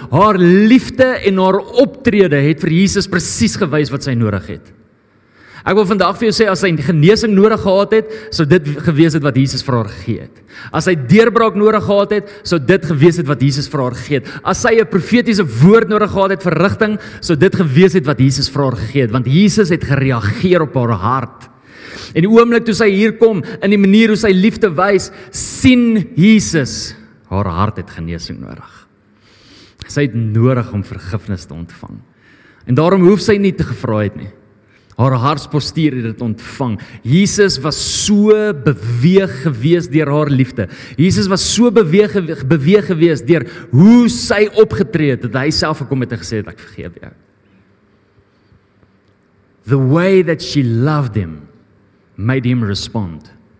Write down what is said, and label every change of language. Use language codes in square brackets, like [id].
[af] Haar liefde en haar optrede het vir Jesus presies gewys wat sy nodig het. Ek wil vandag vir jou sê, as hy genesing nodig gehad het, sou dit gewees het wat Jesus vir haar gegee het. As hy deurbraak nodig gehad het, sou dit gewees het wat Jesus vir haar gegee het. As hy 'n profetiese woord nodig gehad het vir rigting, sou dit gewees het wat Jesus vir haar gegee het. Want Jesus het gereageer op haar hart. En die oomblik toe sy hier kom, in die manier hoe sy liefde wys, sien Jesus, haar hart het genesing nodig. Sy het nodig om vergifnis te ontvang. En daarom hoef sy nie te gevra het nie. Haar hartspostuur het dit ontvang. Jesus was so beweeg gewees deur haar liefde. Jesus was so beweeg gewees deur hoe sy opgetree het, dat hy self gekom het en gesê het, ek vergewe jou. [en] The way that she loved him, made him respond.